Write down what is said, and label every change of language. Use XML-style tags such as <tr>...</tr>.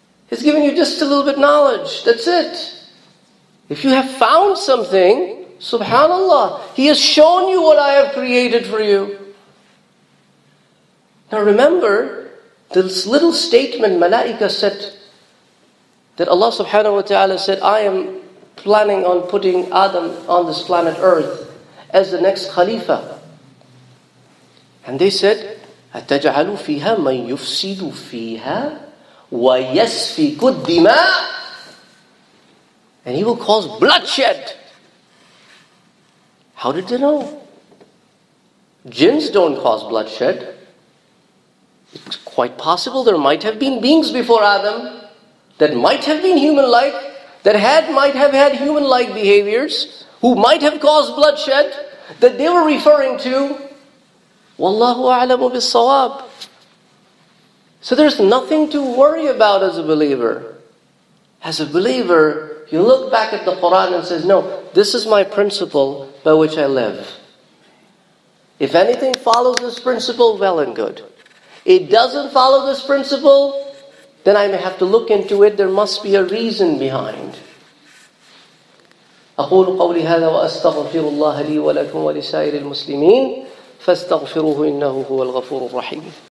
<en>He's giving you just a little bit of knowledge. That's it. If you have found something, Subhanallah, He has shown you what I have created for you. Now remember, this little statement Malaika said, that Allah subhanahu wa ta'ala said, I am planning on putting Adam on this planet Earth as the next Khalifa. And they said,</en> <ar>أَتَجْعَلُ فِيهَا مَنْ يُفْسِدُ فِيهَا وَيَسْفِكُ الدِّمَاء.</ar> <en>And He will cause bloodshed. How did they know? Jinns don't cause bloodshed. It's quite possible there might have been beings before Adam that might have been human-like, that might have had human-like behaviors, who might have caused bloodshed, that they were referring to. Wallahu a'lamu bis-sawab. So there's nothing to worry about as a believer. As a believer, you look back at the Quran and says, no, this is my principle by which I live. If anything follows this principle, well and good. It doesn't follow this principle, then I may have to look into it. There must be a reason behind.</en> <ar>أقول قولي هذا وأستغفر الله لي ولكم ولسائر المسلمين فاستغفروه إنه هو الغفور الرحيم.</ar>